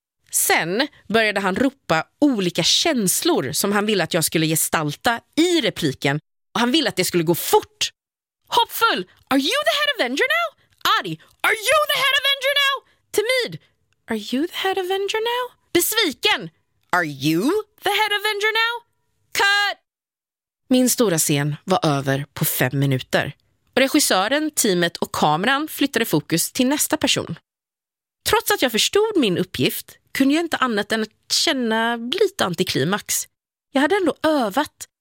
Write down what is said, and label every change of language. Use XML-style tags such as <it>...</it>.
<sv>Sen började han ropa olika känslor som han ville att jag skulle gestalta i repliken. Och han ville att det skulle gå fort. Hoppfull!</sv> <en>Are you the head Avenger now? Arg! Are you the head Avenger now? Timid! Are you the head Avenger now? Besviken! Are you the head Avenger now? Cut!</en> <sv>Min stora scen var över på 5 minuter. Och regissören, teamet och kameran flyttade fokus till nästa person. Trots att jag förstod min uppgift kunde jag inte annat än att känna lite antiklimax. Jag hade ändå övat</sv>